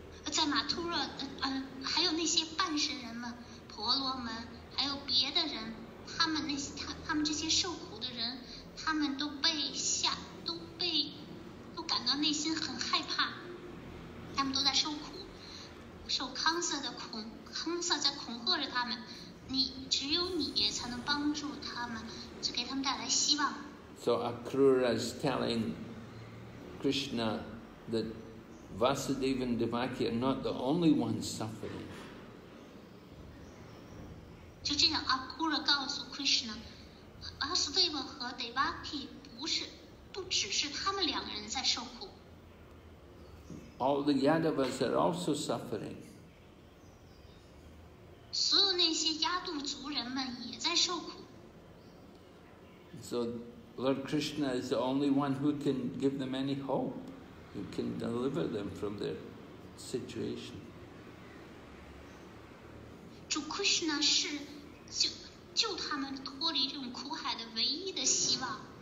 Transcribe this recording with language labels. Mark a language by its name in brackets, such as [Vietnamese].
[Chinese] 在马图勒，还有那些半神人们、婆罗门，还有别的人，他们这些受苦的人，他们都被吓，都感到内心很害怕，他们都在受苦，受康瑟的恐，康瑟在恐吓着他们，只有你才能帮助他们，只给他们带来希望。 [English] So Akrura is telling Krishna that. Vasudeva and Devaki are not the only ones suffering. [Chinese] 就这样阿库拉告诉 Krishna， 阿斯蒂瓦和 Devaki 不只是他们两个人在受苦。 [English] All the Yadavas are also suffering. [Chinese] 所有那些亚杜族人们也在受苦。 [English] So Lord Krishna is the only one who can give them any hope, who can deliver them from their situation. [Chinese] 主 Krishna 是救他们脱离这种苦海的唯一的希望。